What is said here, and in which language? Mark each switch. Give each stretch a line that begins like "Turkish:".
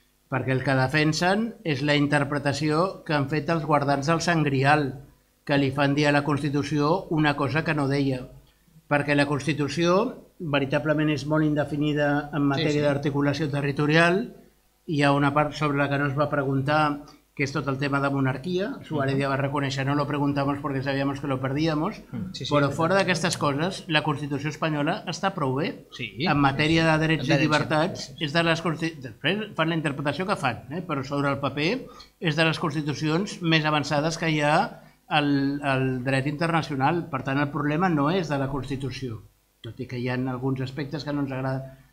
Catalan: Perquè el que defensen és la interpretació que han fet els guardans del Sant Grial, que li fan dir a la Constitució una cosa que no deia. Perquè la Constitució veritablement és molt indefinida en matèria, sí, sí, d'articulació territorial. Hi ha una part sobre la que no es va preguntar, que és tot el tema de monarquia. Suárez ja va reconèixer,
Spanish: no lo preguntamos porque sabíamos que lo perdíamos.
Catalan: Sí, sí, però fora d'aquestes coses, la Constitució espanyola està prou bé. Sí, en matèria de drets i llibertats, és de les després fan la interpretació que fan, però sobre el paper és de les constitucions més avançades que hi ha al dret internacional. Per tant, el problema no és de la Constitució, tot i que hi ha alguns aspectes que no ens agraden.